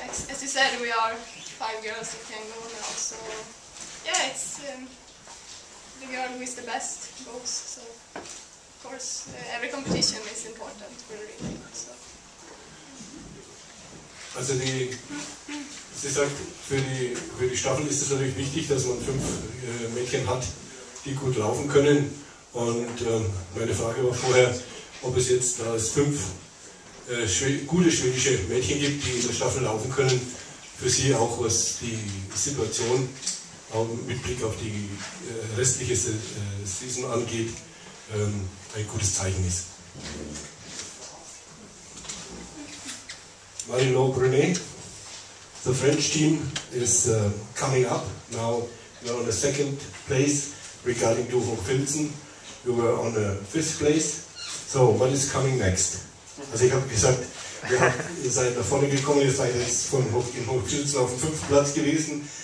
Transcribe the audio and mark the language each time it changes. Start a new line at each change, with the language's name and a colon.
English: As you said, we are five girls who can go now, so yeah, it's the girl who is the best goes, so of course every competition is important for the relay. So.
German: Also die, sie sagt, für die Staffel ist es natürlich wichtig, dass man fünf Mädchen hat, die gut laufen können. Und meine Frage war vorher, ob es jetzt da es fünf gute schwedische Mädchen gibt, die in der Staffel laufen können, für sie auch was die Situation auch mit Blick auf die restliche Saison angeht, ein gutes Zeichen ist.
English: Marie-Laure Brunet, the French team is coming up. Now you are on the second place regarding to Hochfilzen. You were on the fifth place. So what is coming next?
German: Also ich habe gesagt, ihr seid nach vorne gekommen, ihr seid jetzt von Hochfilzen auf dem fünften Platz gewesen.